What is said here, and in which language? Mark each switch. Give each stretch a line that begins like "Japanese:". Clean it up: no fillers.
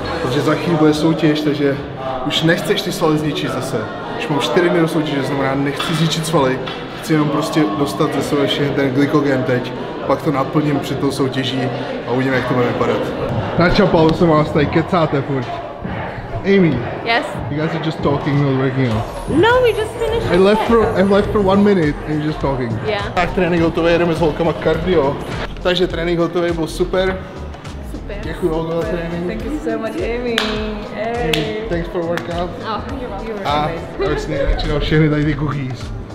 Czech: Takže za chvíli bude soutěž, takže už nechceš ty svaly zničit zase. Už mám 4 dny do soutěže, znamená nechci zničit svaly. Chci jenom prostě dostat ze sebe všechny ten glykogen teď. Pak to naplním před tou soutěží a uvidíme, jak to bude vypadat. Načapal jsem vás tady, kecáte furt.
English: Amy. Yes. You guys are just talking, not working out. No, we just finished. I left for 1 minute and you're just talking. Yeah.
Czech: Tak trénink hotový, jedeme s holkama kardio. Takže trénink hotový byl super. Super. Děkuji holka za trénink.
English: Thank you so much, Amy. Hey. Amy, thanks for workout. Oh, you're welcome.
Czech: A vlastně začínal všechny tady ty cookies.